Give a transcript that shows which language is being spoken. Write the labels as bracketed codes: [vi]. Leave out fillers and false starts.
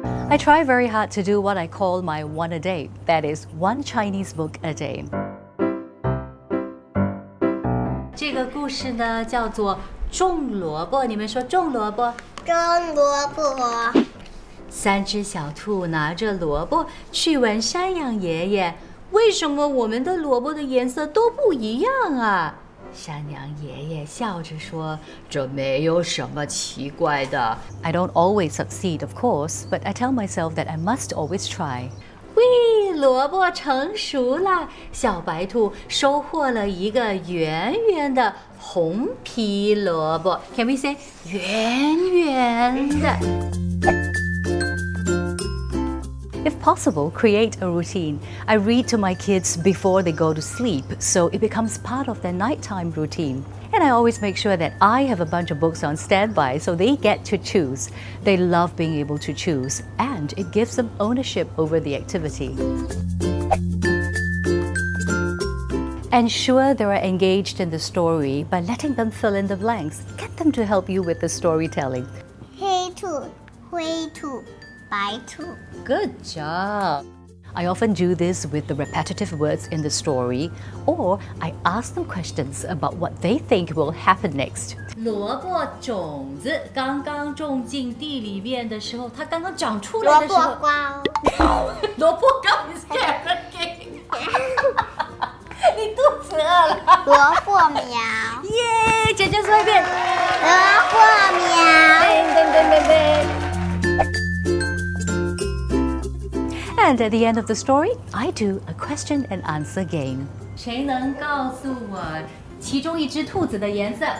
[en] I try very hard to do what I call my one a day, that is one Chinese book a day. [zh] 这个故事呢叫做种萝卜，你们说种萝卜？种萝卜。三只小兔拿着萝卜去问山羊爷爷，为什么我们的萝卜的颜色都不一样啊？山羊爷爷笑着说，这没有什么奇怪的。 [en] I don't always succeed, of course, but I tell myself that I must always try. [zh] 喂，萝卜成熟了，小白兔收获了一个圆圆的红皮萝卜。 [en] Can we say [zh] 圆圆的？ [en] If possible, create a routine. I read to my kids before they go to sleep, so it becomes part of their nighttime routine. And I always make sure that I have a bunch of books on standby so they get to choose. They love being able to choose, and it gives them ownership over the activity. Ensure they are engaged in the story by letting them fill in the blanks. Get them to help you with the storytelling. Hey, Tu. Hey, Tu. 白兔 Good job! I often do this with the repetitive words in the story, or I ask them questions about what they think will happen next. [zh] 萝卜种子刚刚种进地里面的时候，它刚刚长出来的时候，萝卜光，萝卜光 [en] is carrot cake. [zh] 你肚子饿了？萝卜苗。耶！姐姐说一遍。萝卜苗。噔噔噔噔噔。 [en] And at the end of the story, I do a question and answer game. [zh] 谁能告诉我其中一只兔子的颜色？